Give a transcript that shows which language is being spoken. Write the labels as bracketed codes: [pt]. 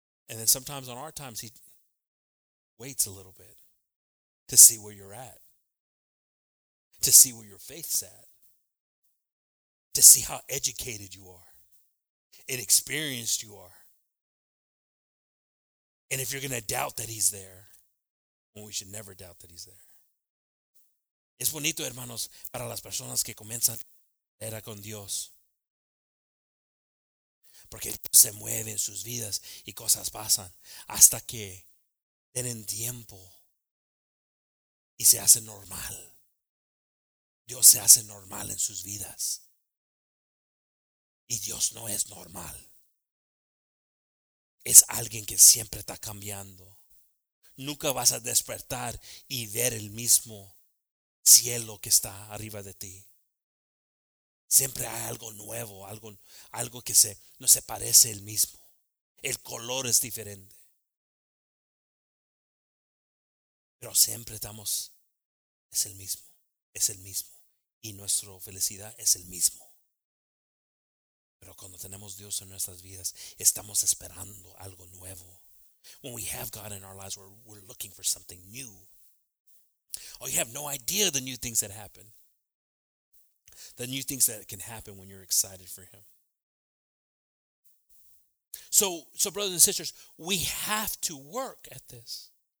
[en] And then sometimes on our times, he waits a little bit to see where you're at. To see where your faith's at. To see how educated you are. And experienced you are. And if you're going to doubt that he's there. Well, we should never doubt that he's there. [es] Es bonito, hermanos, para las personas que comienzan la era con Dios. Porque Dios se mueve en sus vidas y cosas pasan. Hasta que tienen tiempo. Y se hace normal. Dios se hace normal en sus vidas. Y Dios no es normal. Es alguien que siempre está cambiando. Nunca vas a despertar y ver el mismo cielo que está arriba de ti. Siempre hay algo nuevo, algo que no se parece al mismo. El color es diferente. Pero siempre estamos, es el mismo, es el mismo. Y nuestra felicidad es el mismo. Pero cuando tenemos Dios en nuestras vidas, estamos esperando algo nuevo. [en] When we have God in our lives, we're looking for something new. Oh, you have no idea the new things that happen. The new things that can happen when you're excited for him. So brothers and sisters, we have to work at this.